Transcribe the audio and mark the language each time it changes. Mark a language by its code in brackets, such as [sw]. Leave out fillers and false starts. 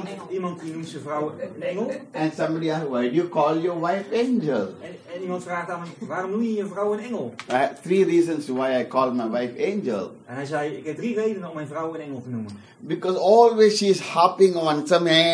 [nl] Iemand die noemt zijn vrouw een engel. [en] And somebody asks, why do you call your wife angel? [nl] En iemand vraagt aan hem, waarom noem je je vrouw een engel? [en] I have three reasons why I call my wife angel. [nl] En hij zei, ik heb drie redenen om mijn vrouw een engel te noemen. [en] Because always she's hopping on some